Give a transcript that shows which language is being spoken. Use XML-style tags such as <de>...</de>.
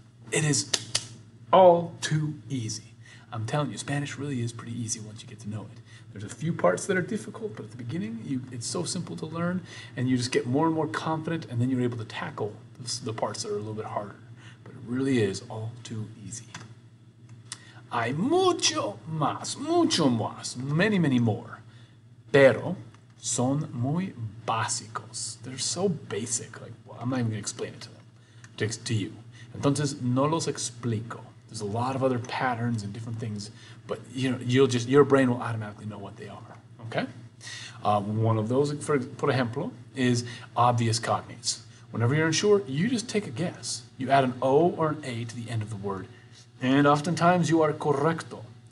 <en>It is all too easy. I'm telling you, Spanish really is pretty easy once you get to know it. There's a few parts that are difficult, but at the beginning, it's so simple to learn, and you just get more and more confident, and then you're able to tackle the parts that are a little bit harder. But it really is all too easy.</en> <es>Hay mucho más,</es> <en>many, many more.</en> <es>Pero son muy básicos.</es> <en>They're so basic. Like, well, I'm not even going to explain it to them. To you.</en> <es>Entonces, no los explico.</es> <en>There's a lot of other patterns and different things, but you know, your brain will automatically know what they are. Okay? One of those,</en> <es>por ejemplo,</es> <en>is obvious cognates. Whenever you're unsure, you just take a guess. You add an O or an A to the end of the word, and oftentimes you are correcto.</en>